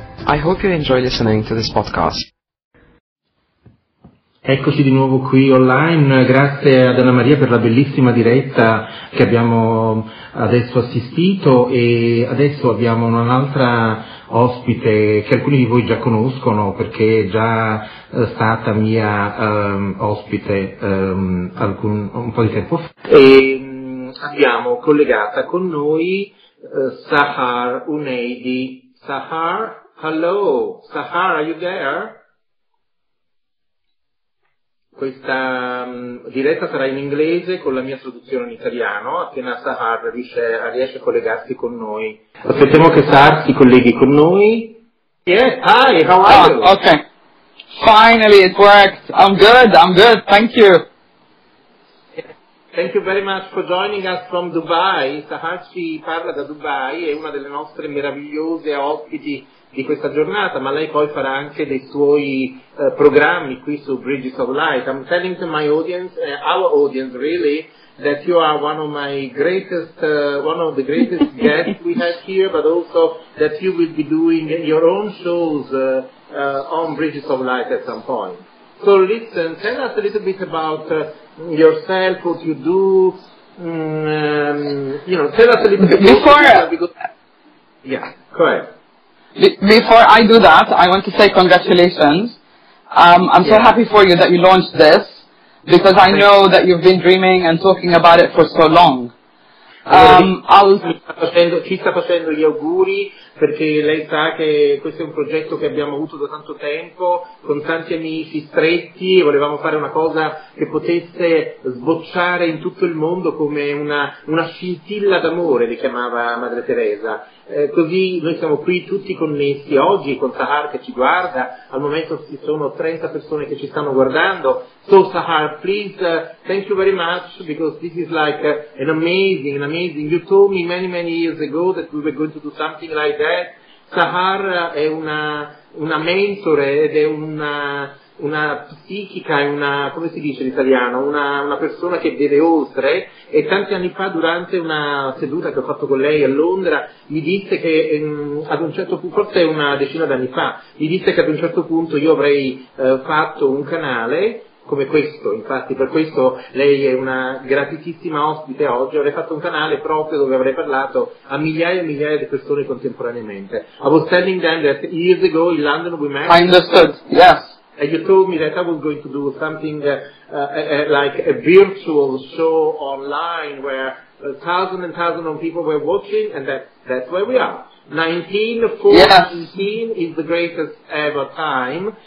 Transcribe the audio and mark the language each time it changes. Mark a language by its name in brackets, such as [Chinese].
[English] I hope you enjoy listening to this podcast. [Italian] Eccoci di nuovo qui online, grazie ad Anna Maria per la bellissima diretta che abbiamo adesso assistito, e adesso abbiamo un'altra ospite che alcuni di voi già conoscono perché è già stata mia ospite un po' di tempo fa. E abbiamo collegata con noi Sahar Unaidi. [English] Sahar, hello. Sahar, are you there? [Italian] Questa diretta sarà in inglese con la mia traduzione in italiano, appena Sahar riesce a collegarsi con noi. Aspettiamo che Sahar si colleghi con noi. [English] Yes, hi, how are you? Okay, finally it worked. I'm good, thank you. Thank you very much for joining us from Dubai. [Italian] Sahar ci parla da Dubai, è una delle nostre meravigliose ospiti di questa giornata, ma lei poi farà anche dei suoi programmi qui su Bridges of Light. [English] I'm telling to my audience, our audience really, that you are one of the greatest guests we have here, but also that you will be doing your own shows on Bridges of Light at some point. So listen, tell us a little bit about yourself, what you do, tell us a little bit before. Yeah, go ahead. Before I do that, I want to say congratulations. I'm so happy for you that you launched this, because I know that you've been dreaming and talking about it for so long. [Italian] Ci sta facendo gli auguri, perché lei sa che questo è un progetto che abbiamo avuto da tanto tempo, con tanti amici stretti, e volevamo fare una cosa che potesse sbocciare in tutto il mondo come una scintilla d'amore, le chiamava Madre Teresa. Così noi siamo qui tutti connessi oggi con Sahar che ci guarda, al momento ci sono 30 persone che ci stanno guardando. [English] So Sahar, please, thank you very much, because this is like an amazing, you told me many years ago that we were going to do something like that. [Italian] Sahar è una mentore ed è una psichica, è una, come si dice in italiano, una persona che vede oltre, e tanti anni fa durante una seduta che ho fatto con lei a Londra mi disse che ad un certo punto, forse una decina d'anni fa, mi disse che ad un certo punto io avrei fatto un canale come questo, infatti per questo lei è una gratissima ospite oggi, avrei fatto un canale proprio dove avrei parlato a migliaia e migliaia di persone contemporaneamente. [English] I was telling them that years ago in London we met. I understood, yes. And you told me that I was going to do something like a virtual show online where thousands and thousands of people were watching, and that's where we are. 1914 is the greatest ever time.